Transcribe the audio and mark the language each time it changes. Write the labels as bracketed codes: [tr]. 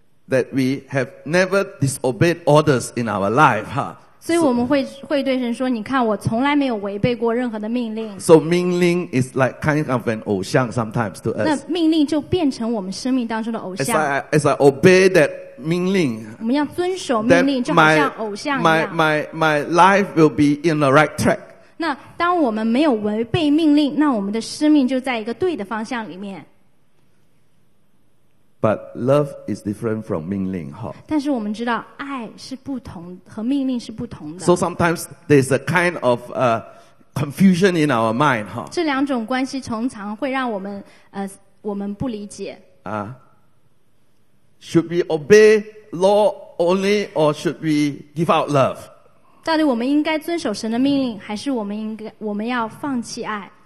[en] That we have never disobeyed orders in our life, huh? [zh] 所以我们会对神说，你看我从来没有违背过任何的命令。 [en] So命令 is like kind of an 偶像 sometimes to us. [zh] 那命令就变成我们生命当中的偶像。 [en] As I obey that 命令， [zh] 我们要遵守命令，就好像偶像一样。 [en] My life will be in the right track. [zh] 那当我们没有违背命令，那我们的生命就在一个对的方向里面。 [en] But love is different from 命令，哈。 [zh] 但是我们知道，爱是不同，和命令是不同的。 [en] So sometimes there's a kind of confusion in our mind, 哈。 [zh] 这两种关系通常会让我们我们不理解。 [en] Should we obey law only, or should we give out love? [zh] 到底我们应该遵守神的命令，还是我们要放弃爱？